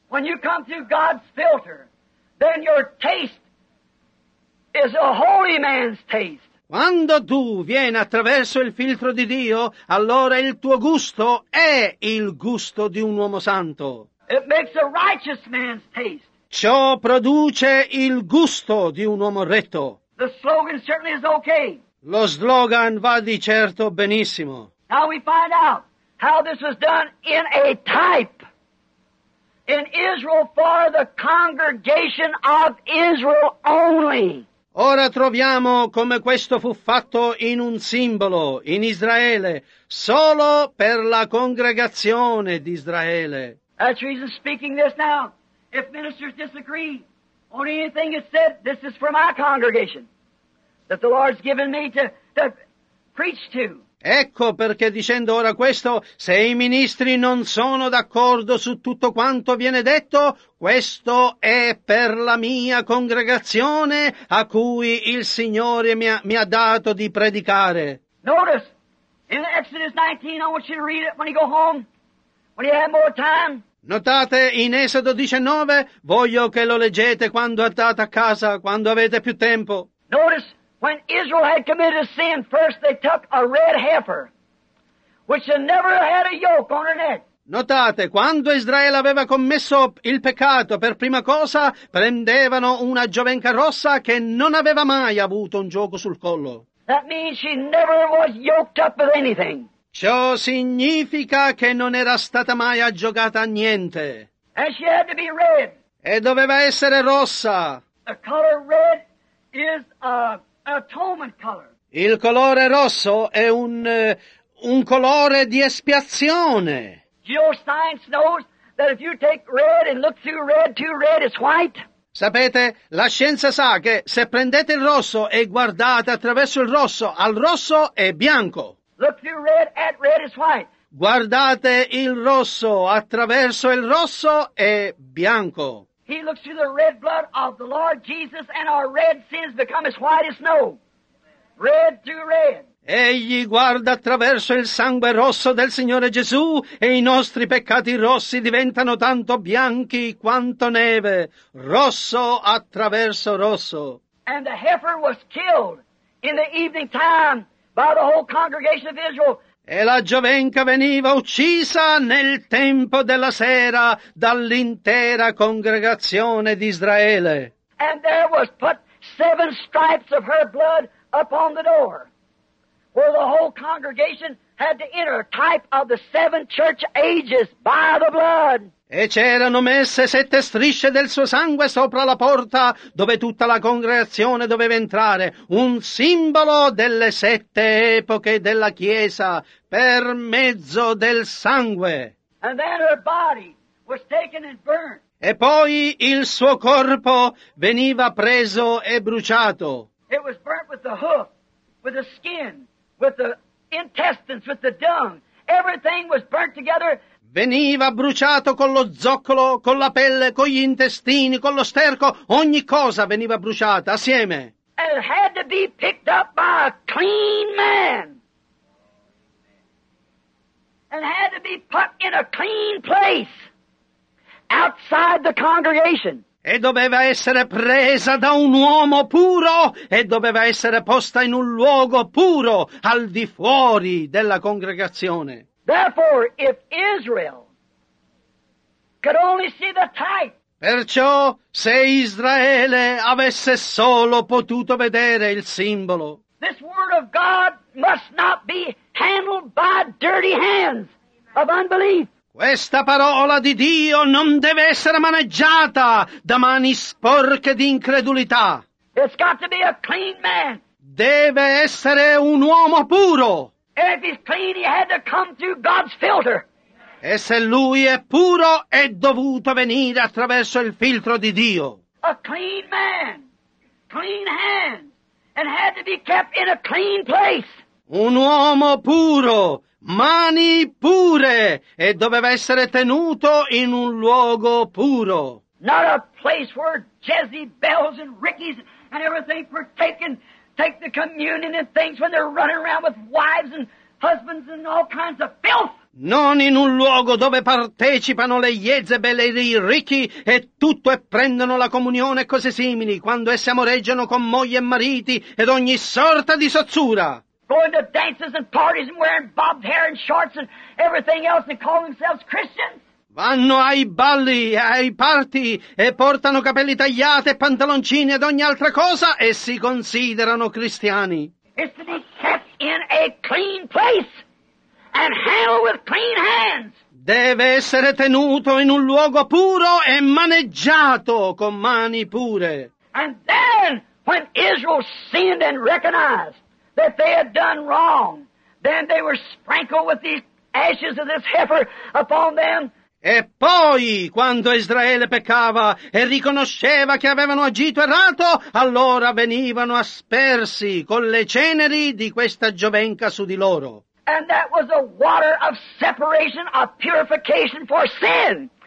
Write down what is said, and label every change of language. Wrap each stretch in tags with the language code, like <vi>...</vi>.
<en>When you come through God's filter, then your taste is a holy man's taste.</en> <it>Quando tu vieni attraverso il filtro di Dio, allora il tuo gusto è il gusto di un uomo santo.</it> <en>It makes a righteous man's taste.</en> <it>Ciò produce il gusto di un uomo retto.</it> <en>The slogan certainly is okay.</en> <it>Lo slogan va di certo benissimo.</it> <en>Now we find out how this was done in a type. In Israel for the congregation of Israel only.</en> <it>Ora troviamo come questo fu fatto in un simbolo, in Israele, solo per la congregazione di Israele.</it> <en>That's the reason speaking this now. If ministers disagree on anything that's said, this is for my congregation that the Lord's given me to preach to.</en> <it>Ecco perché dicendo ora questo, se i ministri non sono d'accordo su tutto quanto viene detto, questo è per la mia congregazione a cui il Signore mi ha dato di predicare.</it> <en>Notice, in Exodus 19, I want you to read it when you go home, when you have more time.</en> <it>Notate in Esodo 19, voglio che lo leggete quando andate a casa, quando avete più tempo.</it> <en>Notice, when Israel had committed a sin, first they took a red heifer, which had never had a yoke on her neck.</en> <it>Notate, quando Israele aveva commesso il peccato, per prima cosa prendevano una giovenca rossa che non aveva mai avuto un gioco sul collo.</it> <en>That means she never was yoked up with anything.</en> <it>Ciò significa che non era stata mai aggiogata a niente.</it> <en>And she had to be red.</en> <it>E doveva essere rossa.</it> <en>The color red is an atonement color.</en> <it>Il colore rosso è un colore di espiazione.</it> <en>Geoscience knows that if you take red and look through red, to red is white.</en> <it>Sapete, la scienza sa che se prendete il rosso e guardate attraverso il rosso, al rosso è bianco.</it> <en>Look through red, at red is white.</en> <it>Guardate il rosso attraverso il rosso è bianco.</it> <en>He looks through the red blood of the Lord Jesus and our red sins become as white as snow. Red through red.</en> <it>Egli guarda attraverso il sangue rosso del Signore Gesù e i nostri peccati rossi diventano tanto bianchi quanto neve. Rosso attraverso rosso.</it> <en>And the heifer was killed in the evening time by the whole congregation of Israel.</en> <it>E la giovenca veniva uccisa nel tempo della sera dall'intera congregazione di Israele.</it> <en>And there was put seven stripes of her blood upon the door, where the whole congregation had to enter, a type of the seven church ages by the blood.</en> <it>E c'erano messe sette strisce del suo sangue sopra la porta dove tutta la congregazione doveva entrare, un simbolo delle sette epoche della Chiesa per mezzo del sangue.</it> <en>And then her body was taken and burnt.</en> <it>E poi il suo corpo veniva preso e bruciato.</it> <en>It was burnt with the hoof, with the skin, with the intestines, with the dung. Everything was burnt together.</en> <it>Veniva bruciato con lo zoccolo, con la pelle, con gli intestini, con lo sterco, ogni cosa veniva bruciata assieme.</it> <en>And it had to be picked up by a clean man. And had to be put in a clean place outside the congregation.</en> <it>E doveva essere presa da un uomo puro e doveva essere posta in un luogo puro al di fuori della congregazione.</it> <en>Therefore, if Israel could only see the type,</en> <it>perciò se Israele avesse solo potuto vedere il simbolo,</it> <en>this word of God must not be handled by dirty hands of unbelief.</en> <it>Questa parola di Dio non deve essere maneggiata da mani sporche di incredulità.</it> <en>It's got to be a clean man.</en> <it>Deve essere un uomo puro.</it> <en>And if he's clean, he had to come through God's filter.</en> <it>E se lui è puro, è dovuto venire attraverso il filtro di Dio.</it> <en>A clean man, clean hands, and had to be kept in a clean place.</en> <it>Un uomo puro, mani pure, e doveva essere tenuto in un luogo puro.</it> <en>Not a place where Jezebels and Rickies and everything were taken. Take the communion and things when they're running around with wives and husbands and all kinds of filth.</en> <it>Non in un luogo dove partecipano le Jezebel e i ricchi e tutto e prendono la comunione e cose simili, quando esse amoreggiano con mogli e mariti ed ogni sorta di sozzura.</it> <en>Going to dances and parties and wearing bobbed hair and shorts and everything else and call themselves Christians.</en> <it>Vanno ai balli, ai party, e portano capelli tagliati e pantaloncini ed ogni altra cosa, e si considerano cristiani.</it> <en>It's to be kept in a clean place, and handled with clean hands.</en> <it>Deve essere tenuto in un luogo puro e maneggiato con mani pure.</it> <en>And then, when Israel sinned and recognized that they had done wrong, then they were sprinkled with the ashes of this heifer upon them.</en> <it>E poi, quando Israele peccava e riconosceva che avevano agito errato, allora venivano aspersi con le ceneri di questa giovenca su di loro.</it> <en>And that was a water of separation, of purification for sin.</en>